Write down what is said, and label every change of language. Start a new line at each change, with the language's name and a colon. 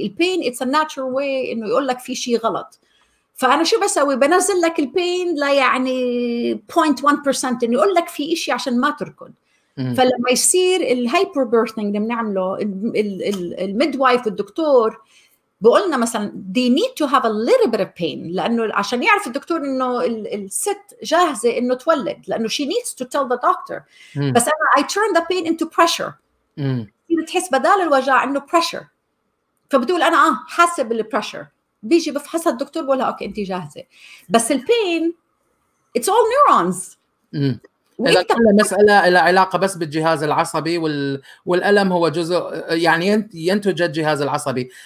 Arabic: البين
English: it's a natural way
Arabic: إنه يقول لك في شيء غلط. فأنا شو بسوي؟ بنزل لك البين لا يعني 0.1% إنه يقول لك في إشي عشان ما تركض. فلما يصير الهايبربيرثنج اللي بنعمله الميدوايف والدكتور بقولنا مثلاً
English: they need to have a little bit of pain
Arabic: لأنه عشان يعرف الدكتور إنه الست جاهزة إنه تولد، لأنه
English: she needs to tell the doctor.
Arabic: بس أنا
English: I turn the pain into pressure.
Arabic: بتحس بدال الوجع إنه pressure. فبتقول أنا حاسة بالpressure. بيجي بفحصها الدكتور بقولها اوكي انت جاهزه، بس البين
English: It's all neurons.
Arabic: مساله الى علاقه بس بالجهاز العصبي والالم هو جزء يعني ينتج الجهاز العصبي.